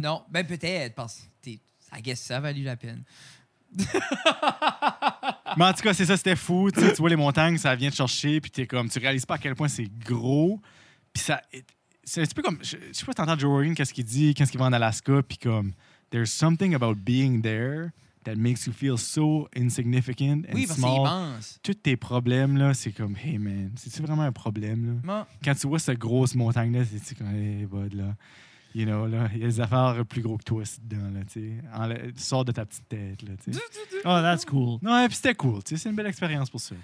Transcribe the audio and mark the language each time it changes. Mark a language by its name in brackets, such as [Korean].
[French] Non, ben peut-être, parce que [English] I guess [French] ça a valu la peine. Mais en tout cas, c'est ça, c'était fou. Tu vois les montagnes, ça vient te chercher, puis t'es comme, tu réalises pas à quel point c'est gros, puis ça... C'est un petit peu comme... Je sais pas si t'entends Joe Rogan, qu'est-ce qu'il dit, qu'est-ce qu'il va en Alaska, puis comme... [English] There's something about being there that makes you feel so insignificant and [French] oui, parce [English] small. [French] C'est immense. Tous tes problèmes, là, c'est comme, hey man, c'est-tu vraiment un problème? Là? Quand tu vois cette grosse montagne-là, c'est comme, hey bud, là. [English] You know, [French] là, il y a des affaires plus gros que toi dedans, là, tu sais. Tu sors de ta petite tête, là, tu sais. [English] Oh, that's cool. [French] Ouais, puis c'était cool, tu sais. C'est une belle expérience pour ça.